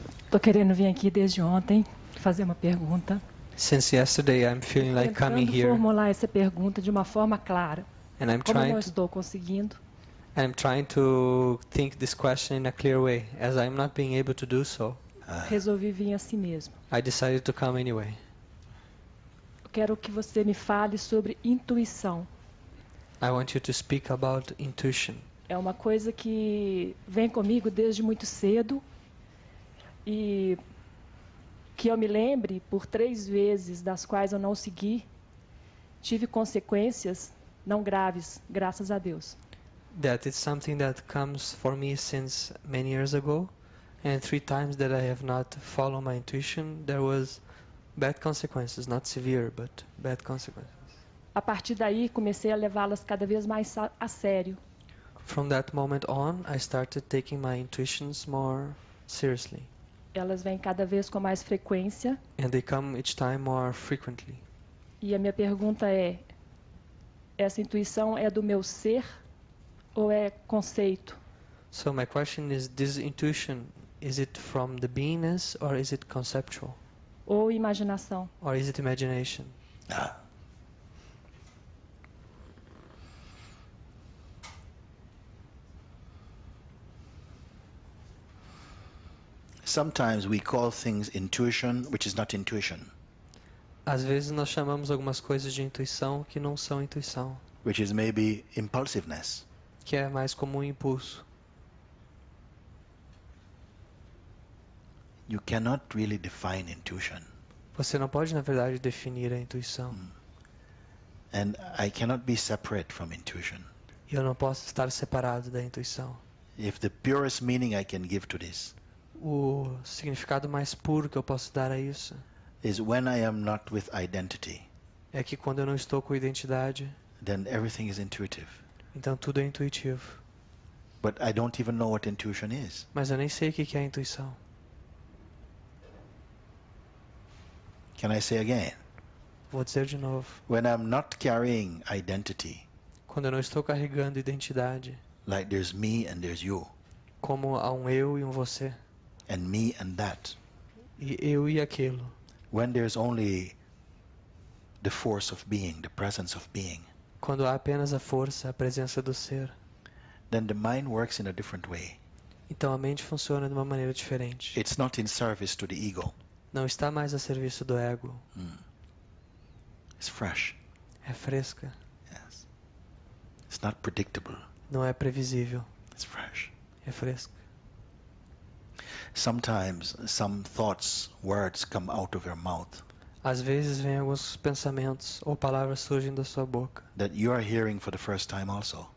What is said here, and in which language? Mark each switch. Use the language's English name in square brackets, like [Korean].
[Portuguese] Tô querendo vir aqui desde ontem fazer uma pergunta. [English] Since yesterday I'm feeling like coming here. [Portuguese] Tentando formular essa pergunta de uma forma clara. [English] And I'm [Portuguese] como [English] trying [Portuguese] não estou conseguindo. [English] I'm trying to think this question in a clear way, as I'm not being able to do so. [Portuguese] Resolvi vir assim mesmo. [English] I decided to come anyway. [Portuguese] Eu quero que você me fale sobre intuição. [English] I want you to speak about intuition. [Portuguese] É uma coisa que vem comigo desde muito cedo. E que eu me lembre, por três vezes das quais eu não segui, tive consequências não graves, graças a Deus. [English] That is something that comes for me since many years ago, and three times that I have not followed my intuition, there was bad consequences, not severe, but bad consequences. [Portuguese] A partir daí, comecei a levá-las cada vez mais a sério. [English] From that moment on, I started taking my intuitions more seriously. [Portuguese] Elas vêm cada vez com mais frequência. [English] And they come each time more frequently. [Portuguese] E a minha pergunta é, essa intuição é do meu ser ou é conceito? [English] So my question is, this intuition, is it from the beingness or is it conceptual? [Portuguese] Ou imaginação? [English] Or is it imagination? Sometimes we call things intuition, which is not intuition. [Portuguese] Às vezes nós chamamos algumas coisas de intuição que não são intuição. [English] Which is maybe impulsiveness. [Portuguese] Que é mais como um impulso. [English] You cannot really define intuition. [Portuguese] Você não pode, na verdade, definir a intuição. [English] And I cannot be separate from intuition. [Portuguese] Eu não posso estar separado da intuição. [English] If the purest meaning I can give to this. [Portuguese] O significado mais puro que eu posso dar a isso [English] is when I am not with identity, [Portuguese] é que quando eu não estou com identidade, [English] then everything is intuitive. [Portuguese] Então tudo é intuitivo. [English] But I don't even know what intuition is. [Portuguese] Mas eu nem sei o que é a intuição. [English] Can I say again? [Portuguese] Vou dizer de novo. [English] When I'm not carrying identity, [Portuguese] quando eu não estou carregando identidade, [English] like there's me and there's you, [Portuguese] como há um eu e um você. [English] And me and that. [Portuguese] E eu e aquilo. [English] When there is only the force of being, the presence of being. [Portuguese] Quando há apenas a força, a presença do ser. [English] Then the mind works in a different way. [Portuguese] Então a mente funciona de uma maneira diferente. [English] It's not in service to the ego. [Portuguese] Não está mais a serviço do ego. [English] It's fresh. [Portuguese] É fresca. [English] Yes. It's not predictable. [Portuguese] Não é previsível. [English] It's fresh. [Portuguese] É fresca. [English] Sometimes some thoughts, words come out of your mouth. [Portuguese] Às vezes vêm alguns pensamentos ou palavras surgem da sua boca. [English] That you are hearing for the first time also.